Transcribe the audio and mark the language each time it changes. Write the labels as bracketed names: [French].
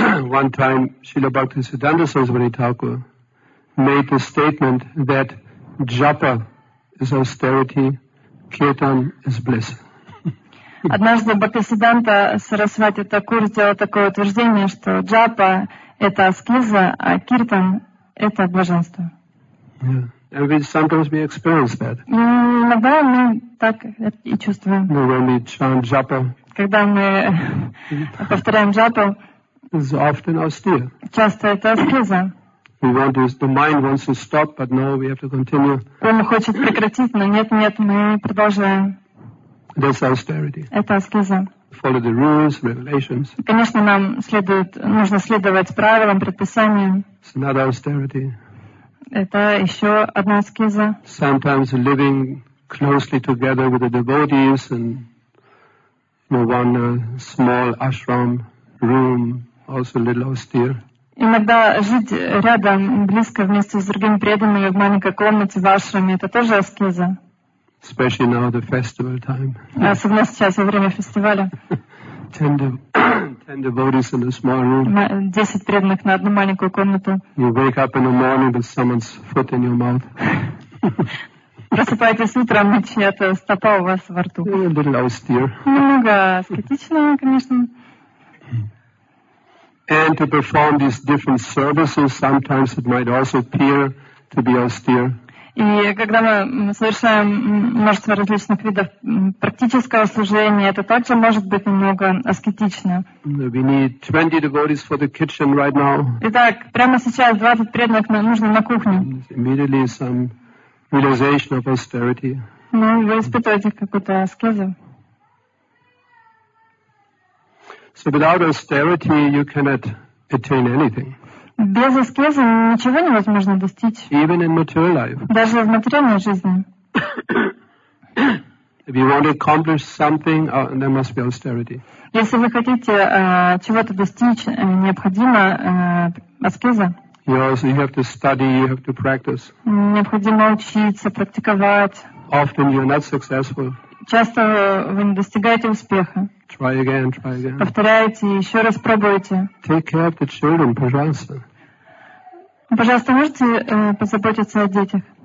[English] One time Srila Bhaktisiddhanta Saraswati Thakur made the statement that japa is austerity, kirtan is bliss. [Russian] Однажды Бхактисиддханта Сарасвати Такур сделал такое утверждение, что джапа — это аскеза, а киртан — это блаженство. [English] Yeah. And we, sometimes we experience that. [Russian] Иногда мы так и чувствуем. [English] No, when we chant japa, [Russian] когда мы повторяем джапу, [English] it's often austere. [Russian] Часто это аскеза. [English] We want to, the mind wants to stop, but no, we have to continue. [Russian] Ум хочет прекратить, но нет, мы продолжаем. [English] That's austerity. [Russian] Это аскеза. [English] Follow the rules, regulations. [Russian] Конечно, нам следует, нужно следовать правилам, предписаниям. [English] It's not austerity. [Russian] Это еще одна аскеза. [English] Sometimes living closely together with the devotees and one small ashram room, also a little austere. [Russian] Иногда жить рядом, близко вместе с другими преданными в маленькой комнате в ашраме, это тоже аскеза. [English] Especially now the festival time. [Russian] Особенно сейчас во время фестиваля. [English] Ten devotees in a small room. [Russian] 10 преданных на одну маленькую комнату. [English] You wake up in the morning with someone's foot in your mouth. [Russian] Просыпаетесь утром, и чья-то стопа у вас во рту. [English] A little austere. [Russian] Немного аскетично, конечно. [English] And to perform these different services, sometimes it might also appear to be austere. [Russian] И когда мы совершаем множество различных видов практического служения, это также может быть немного аскетично. [English] We need 20 devotees for the kitchen right now. [Russian] Итак, прямо сейчас 20 преданных нужно на кухню. [English] Immediately some realization of austerity. [Russian] Ну, вы испытываете какую-то аскезу. [English] So without austerity you cannot attain anything. [Russian] Без аскезы ничего невозможно достичь. [English] Even in material life. [Russian] Даже в материальной жизни. [English] If you want to accomplish something, there must be austerity. [Russian] Если вы хотите чего-то достичь, необходима аскеза. [English] Yes, you have to study, you have to practice. [Russian] Необходимо учиться, практиковать. [English] Often you're not successful. [Russian] Часто вы не достигаете успеха. [English] Try again. [Russian] Повторяйте, еще раз пробуйте. [English] Take care of the children, [Russian] пожалуйста. Пожалуйста, можете позаботиться о детях?